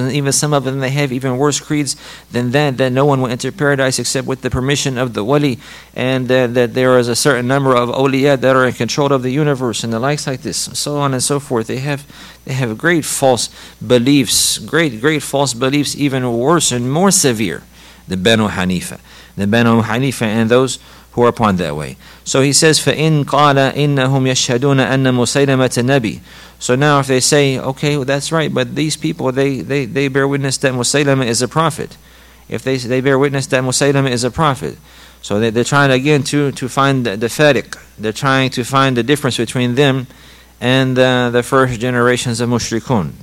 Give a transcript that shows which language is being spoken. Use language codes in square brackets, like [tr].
[en] And even some of them, they have even worse creeds than that no one will enter paradise except with the permission of the wali, and that there is a certain number of awliya that are in control of the universe and the likes like this, and so on and so forth. They have great false beliefs, great false beliefs, even worse and more severe than Banu Hanifa and those who are upon that way. So he says, [ar] فَإِنْ قَالَ إِنَّهُمْ يَشْهَدُونَ أَنَّ مُسَيْلَمَةَ النَّبِيِّ. [en] So now if they say, okay, well, that's right, but these people, they bear witness that Musaylama is a prophet. If they bear witness that Musaylama is a prophet. So they're trying again to find the fariq. They're trying to find the difference between them and the first generations of mushrikun.